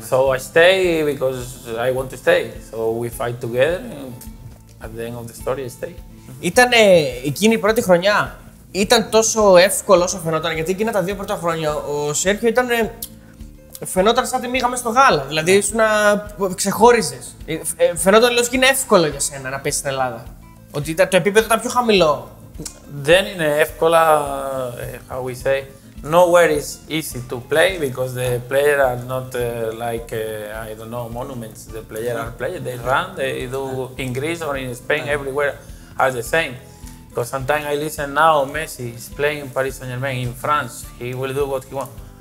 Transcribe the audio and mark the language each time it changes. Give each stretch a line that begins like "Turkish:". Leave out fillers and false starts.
English: So I stay because I want to stay. So we fight together. At the end of the story, I stay.
Greek: Ήταν εκείνη η πρώτη χρονιά. Ήταν τόσο εύκολο όσο φαινόταν, γιατί εκείνα τα δύο πρώτα χρόνια ο Σέρχιο ήταν. Φαινόταν σαν τη μύγα μες στο γάλα. Δηλαδή σου να ξεχώριζες. Φαινόταν λες και είναι εύκολο για σένα να πέσεις στην Ελλάδα. Ότι το επίπεδο ήταν πιο χαμηλό. Δεν είναι εύκολα,
English: how we say. Nowhere is easy to play because the players are not like, I don't know, monuments. The players are players. They run, they do in Greece or in Spain, everywhere are the same. Because sometimes I listen now, Messi is playing in Paris Saint-Germain, in France, he will do what he wants.